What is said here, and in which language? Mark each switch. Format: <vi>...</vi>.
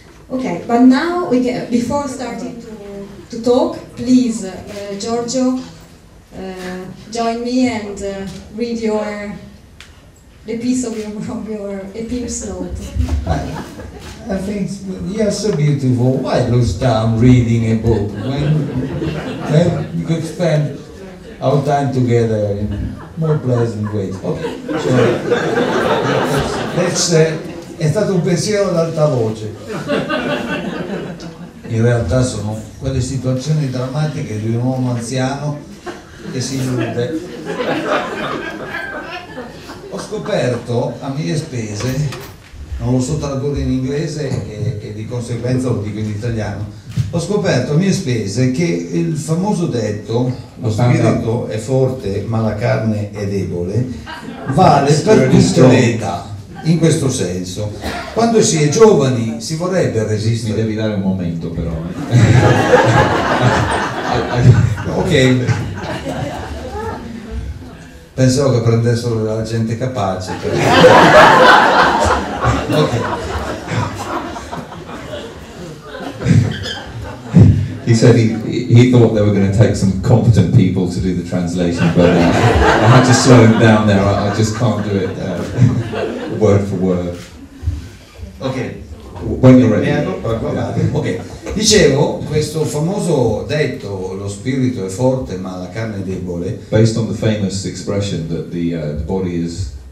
<en>Okay, but now we get, before starting to talk, please, Giorgio, join me and read your the piece of your appeal note. I think you are so beautiful. Why lose time reading a book when you could spend our time together in more pleasant way. Okay.</en> <it>So, è stato un pensiero ad alta voce. In realtà sono quelle situazioni drammatiche di un uomo anziano che si illude. Ho scoperto a mie spese, non lo so tradurre in inglese e di conseguenza lo dico in italiano, ho scoperto a mie spese che il famoso detto lo spirito è forte ma la carne è debole vale per tutte le età, in questo senso quando si è giovani si vorrebbe resistere. Mi devi dare un momento però. Ok, pensavo che prendessero la gente capace però.</it> <en>He said he thought they were going to take some competent people to do the translation, but I had to slow him down there. I just can't do it word for word. Okay. When you're ready. Okay.</en> <it>Dicevo, questo famoso detto, lo spirito è forte ma la carne è debole.</it> <en>Based on the famous expression that the body is...</en>